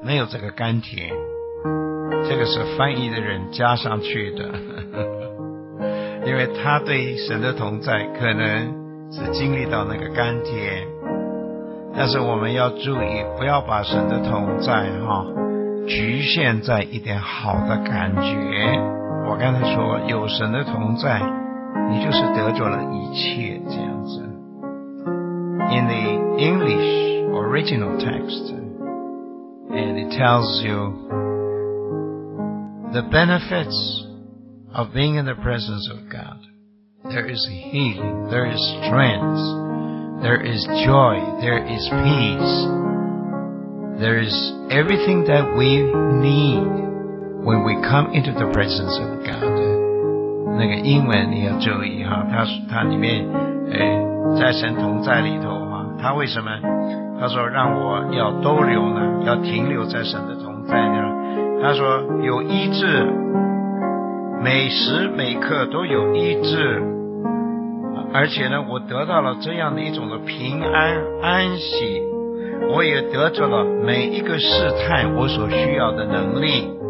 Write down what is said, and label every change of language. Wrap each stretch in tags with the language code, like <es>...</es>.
<zh>这个甘甜，这个是翻译的人加上去的，因为他对神的同在可能是经历到那个甘甜，但是我们要注意，不要把神的同在局限在一点好的感觉。我刚才说有神的同在，你就是得着了一切这样子。</zh> <en>In the English original textAnd it tells you the benefits of being in the presence of God. There is healing, there is strength, there is joy, there is peace. There is everything that we need when we come into the presence of God.</en> <zh>那个英文你要注意哈，它里面在神同在里头哈，它为什么？他说让我要逗留呢，要停留在神的同在呢。他说有医治，每时每刻都有医治，而且呢我得到了这样的一种的平安安息，我也得着了每一个试探我所需要的能力。</zh>